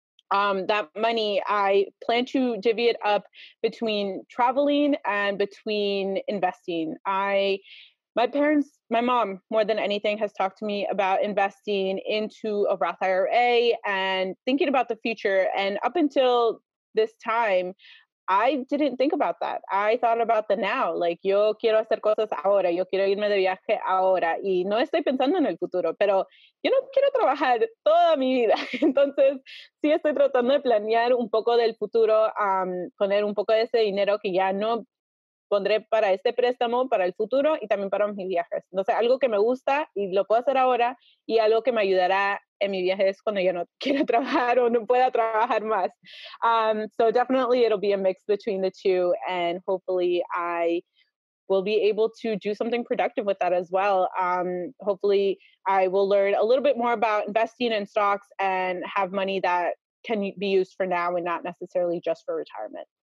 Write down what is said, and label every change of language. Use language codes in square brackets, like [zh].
[en] That money, I plan to divvy it up between traveling and between investing. My mom, more than anything, has talked to me about investing into a Roth IRA and thinking about the future. And up until this time, I didn't think about that. I thought about the now, like, [es] yo quiero hacer cosas ahora, yo quiero irme de viaje ahora, y no estoy pensando en el futuro, pero yo no quiero trabajar toda mi vida. Entonces, sí estoy tratando de planear un poco del futuro, poner un poco de ese dinero que ya no pondré para este préstamo, para el futuro y también para mis viajes. Entonces, algo que me gusta y lo puedo hacer ahora y algo que me ayudará en mi viaje es cuando yo no quiero trabajar o no pueda trabajar más. [en] So definitely it'll be a mix between the two, and hopefully I will be able to do something productive with that as well. Hopefully I will learn a little bit more about investing in stocks and have money that can be used for now and not necessarily just for retirement.